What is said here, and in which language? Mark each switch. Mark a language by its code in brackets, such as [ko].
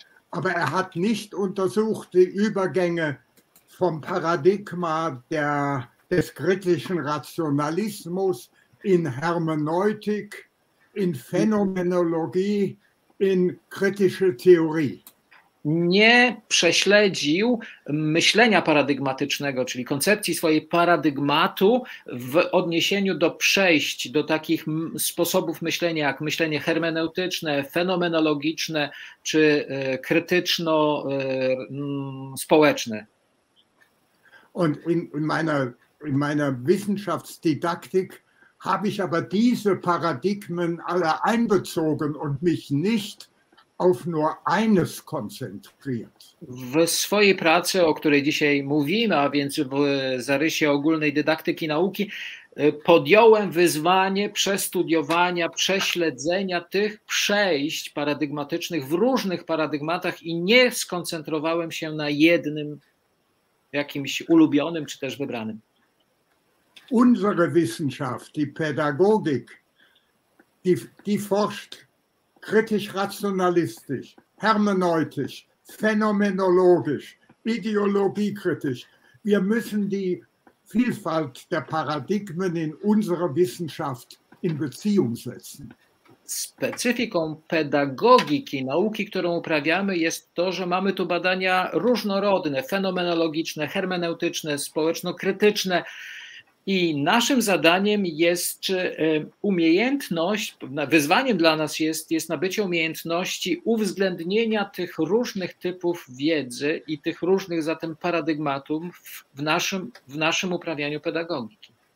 [de] Aber er hat nicht untersucht die Übergänge vom Paradigma des kritischen Rationalismus in Hermeneutik, in fenomenologii, in kritische Theorie. [pl] Nie prześledził myślenia paradygmatycznego, czyli koncepcji swojej paradygmatu w odniesieniu do przejść do takich sposobów myślenia, jak myślenie hermeneutyczne, fenomenologiczne, czy krytyczno-społeczne. [de] Und in meiner Wissenschaftsdidaktik habe ich aber diese Paradigmen alle einbezogen und mich nicht auf nur eines konzentriert. [pl] W swojej pracy, o której dzisiaj mówimy, a więc w zarysie ogólnej dydaktyki nauki, podjąłem wyzwanie przestudiowania, prześledzenia tych przejść paradygmatycznych w różnych paradygmatach i nie skoncentrowałem się na jednym, jakimś ulubionym czy też wybranym. [de] Unsere Wissenschaft, die Pädagogik, die forscht kritisch-rationalistisch, hermeneutisch, phänomenologisch, ideologiekritisch. Wir müssen die Vielfalt der Paradigmen in unserer Wissenschaft in Beziehung setzen. [pl] specyfiką pedagogiki, nauki, którą uprawiamy, jest to, że mamy tu badania różnorodne, fenomenologiczne, hermeneutyczne, społeczno-krytyczne. I naszym zadaniem jest umiejętność, wyzwaniem dla nas jest nabycie umiejętności uwzględnienia tych różnych typów wiedzy i tych różnych zatem paradygmatów w naszym uprawianiu pedagogiki.